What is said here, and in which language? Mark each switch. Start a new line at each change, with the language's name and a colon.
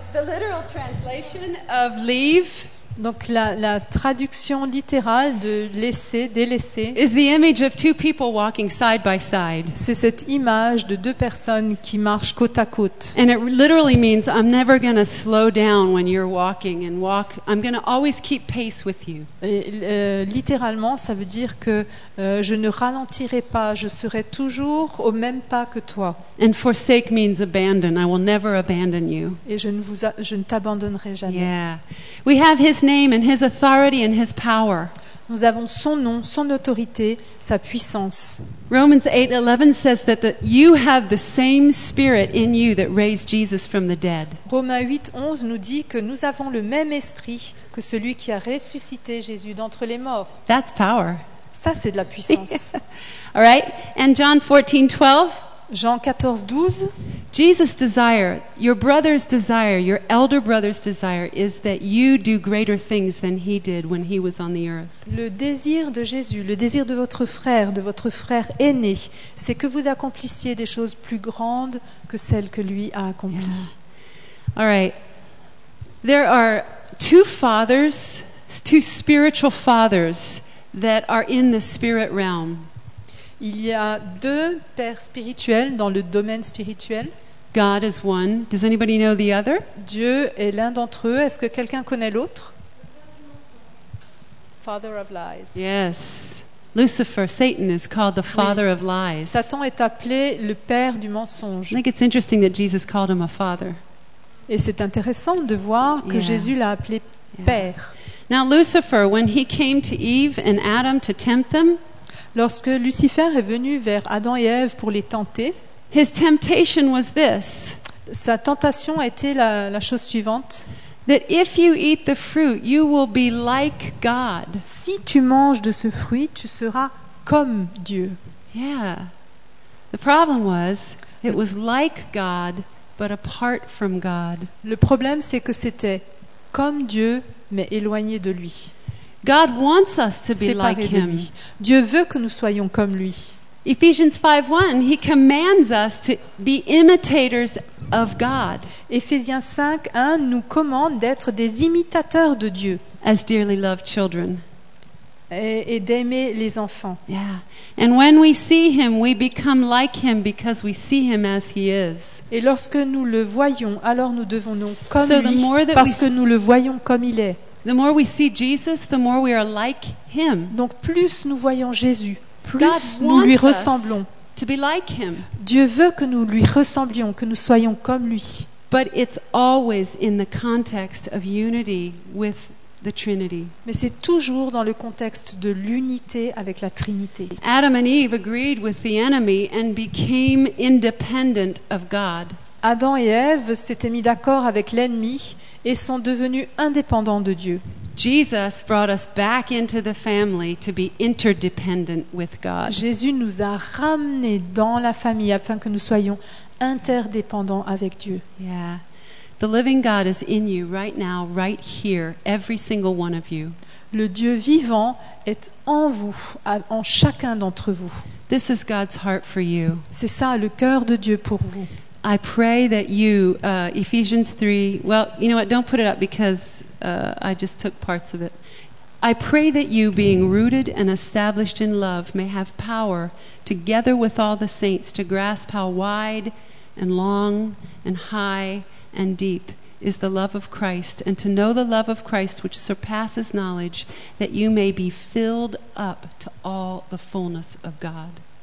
English: The literal translation of leave.
French: Donc la traduction littérale de laisser, délaisser.
English: Is the image of two people walking side by side.
French: C'est cette image de deux personnes qui marchent côte à côte.
English: And it literally means I'm never going to slow down when you're walking and walk. I'm going to always keep pace with you.
French: Littéralement, ça veut dire que je ne ralentirai pas. Je serai toujours au même pas que toi.
English: And forsake means abandon. I will never abandon you.
French: Et je ne t'abandonnerai jamais.
English: Yeah, we have his name and his authority and his power.
French: Nous avons son nom, son autorité, sa puissance.
English: Romans 8:11 says that you have the same spirit in you that raised Jesus from the dead.
French: Romains 8:11 nous dit que nous avons le même esprit que celui qui a ressuscité Jésus d'entre les morts.
English: That's power.
French: Ça c'est de la puissance.
English: All right? And John 14:12,
French: Jean 14:12,
English: Jesus' desire, your brother's desire, your elder brother's desire is that you do greater things than he did when he was on the earth.
French: Le désir de Jésus, le désir de votre frère aîné, c'est que vous accomplissiez des choses plus grandes que celles que lui a accomplies.
English: Yeah. All right. There are two fathers, two spiritual fathers that are in the spirit realm.
French: Il y a deux pères spirituels dans le domaine spirituel.
English: God is one. Does anybody know the other?
French: Dieu est l'un d'entre eux. Est-ce que quelqu'un connaît l'autre?
English: Father of lies. Yes. Lucifer, Satan is called the father of lies.
French: Satan est appelé le père du mensonge.
English: I think it's interesting that Jesus called him a father.
French: Et c'est intéressant de voir que Jésus l'a appelé père.
English: Now Lucifer, when he came to Eve and Adam to tempt them,
French: lorsque Lucifer est venu vers Adam et Ève pour les tenter,
English: his temptation was this,
French: sa tentation a été la chose suivante.
English: That if you eat the fruit, you will be like God.
French: Si tu manges de ce fruit, tu seras comme Dieu.
English: Yeah. The problem was, it was like God, but apart from God.
French: Le problème, c'est que c'était comme Dieu, mais éloigné de lui.
English: God wants us to be like him.
French: Dieu veut que nous soyons comme lui.
English: Ephesians 5:1, he commands us to be imitators of God.
French: Éphésiens 5:1 nous commande d'être des imitateurs de Dieu.
English: As dearly loved children.
French: Et d'aimer les enfants.
English: Yeah. And when we see him, we become like him because we see him as he is.
French: Et lorsque nous le voyons, alors nous devenons comme lui parce que nous le voyons comme il est.
English: The more we see Jesus, the more we are like him.
French: Donc plus nous voyons Jésus, plus nous lui ressemblons.
English: To be like him.
French: Dieu veut que nous lui ressemblions, que nous soyons comme lui.
English: But it's always in the context of unity with the Trinity.
French: Mais c'est toujours dans le contexte de l'unité avec la Trinité.
English: Adam and Eve agreed with the enemy and became independent of God.
French: Adam et Ève s'étaient mis d'accord avec l'ennemi et sont devenus indépendants de Dieu.
English: Jesus brought us back into the family to be interdependent with God.
French: Jésus nous a ramenés dans la famille afin que nous soyons interdépendants avec Dieu.
English: Yeah. The living God is in you right now, right here, every single one of you.
French: Le Dieu vivant est en vous, en chacun d'entre vous.
English: This is God's heart for you.
French: C'est ça le cœur de Dieu pour vous.
English: I pray that you, Ephesians 3, well, you know what, don't put it up because I just took parts of it. I pray that you, being rooted and established in love, may have power, together with all the saints, to grasp how wide and long and high and deep is the love of Christ, and to know the love of Christ which surpasses knowledge, that you may be filled up to all the fullness of God.